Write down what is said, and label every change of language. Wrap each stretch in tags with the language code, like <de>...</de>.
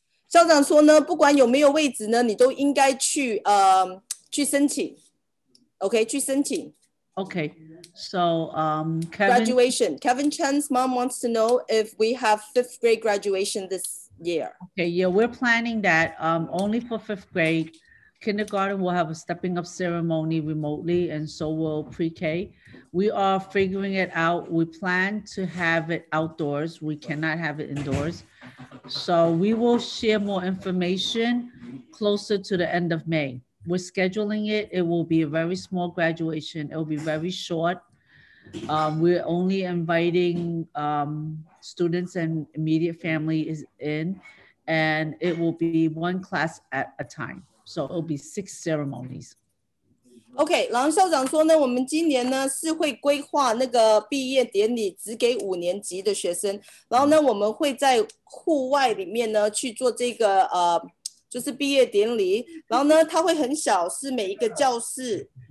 <zh>校长说呢，不管有没有位置呢，你都应该去去申请 ，OK， 去申请。</zh> <en>Okay, so Kevin, graduation. Kevin Chen's mom wants to know if we have fifth grade graduation this year. Okay, yeah, we're planning that only for fifth grade. Kindergarten will have a stepping up ceremony remotely, and so will pre-K. We are figuring it out. We plan to have it outdoors. We cannot have it indoors. So we will share more information closer to the end of May. We're scheduling it. It will be a very small graduation. It will be very short. We're only inviting students and immediate family is in, and it will be one class at a time. So it will be six ceremonies.</en> <zh>Okay, 然后校长说呢，我们今年呢是会规划那个毕业典礼只给五年级的学生，然后呢我们会在户外里面呢去做这个就是毕业典礼，然后呢它会很小，是每一个教室</zh>